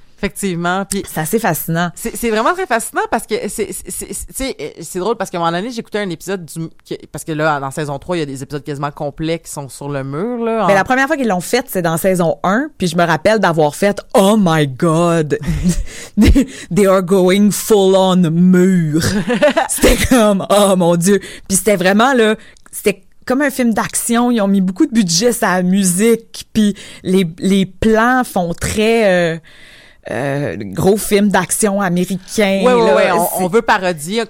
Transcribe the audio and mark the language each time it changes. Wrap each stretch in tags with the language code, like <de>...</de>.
<fr>Effectivement. Puis c'est assez fascinant. C'est vraiment très fascinant parce que c'est drôle parce qu'à un moment donné, j'écoutais un épisode parce que là, dans saison 3, il y a des épisodes quasiment complets qui sont sur le mur. Mais la première fois qu'ils l'ont fait, c'est dans saison 1. Puis je me rappelle d'avoir fait «</fr> <en>Oh my God! They are going full on mur!</en> <fr>» C'était comme « Oh mon Dieu! » Puis c'était vraiment là, c'était comme un film d'action. Ils ont mis beaucoup de budget sur la musique. Puis les plans font très... gros film d'action américain. On veut parodier.</fr>